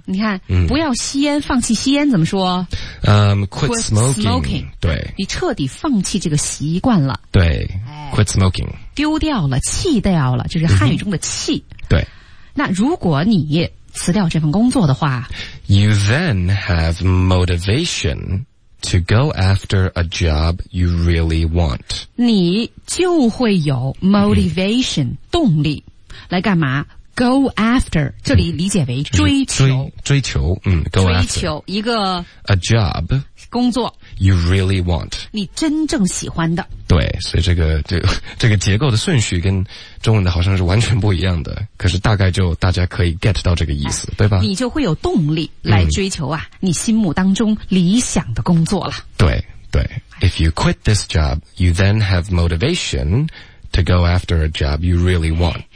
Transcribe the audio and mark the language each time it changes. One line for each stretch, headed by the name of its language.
Chinese: 你看，不要吸烟，放弃吸烟怎么说？
English: quit smoking。 对，
Chinese: 你彻底放弃这个习惯了。
English: 对， quit smoking，
Chinese: 丢掉了，弃掉了，就是汉语中的弃。对，那如果你辞掉这份工作的话，
English: You then have motivation to go after a job you really want。
Chinese: 你就会有 motivation，动力来干嘛？
English: Go after，
Chinese: 这里理解为追求，追求
English: go after，
Chinese: 追求一个
English: a job，
Chinese: 工作
English: you really want，
Chinese: 你真正喜欢的。对，所以这个结构的顺序跟中文的好像是完全不一样的，可是大概就大家可以 get 到这个意思，对吧？你就会有动力来追求啊，你心目当中理想的工作了。
English: 对对， If you quit this job， you then have motivation to go after a job you really want。